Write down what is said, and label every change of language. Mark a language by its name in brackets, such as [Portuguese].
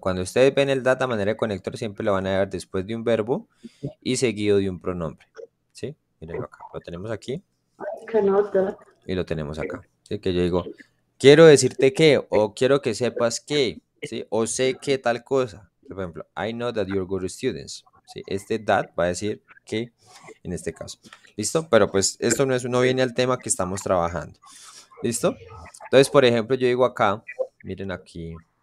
[Spanish] Cuando ustedes ven el that a manera de conector, siempre lo van a ver después de un verbo y seguido de un pronombre. ¿Sí? Mírenlo acá. Lo tenemos aquí. Y lo tenemos acá. ¿Sí? Que yo digo, quiero decirte que, o quiero que sepas que, ¿sí? O sé que tal cosa. Por ejemplo, [English] I know that you're good students. [Spanish] ¿Sí? Este that va a decir que en este caso. ¿Listo? Pero pues esto no, es, no viene al tema que estamos trabajando. ¿Listo? Entonces, por ejemplo, yo digo acá, miren aquí.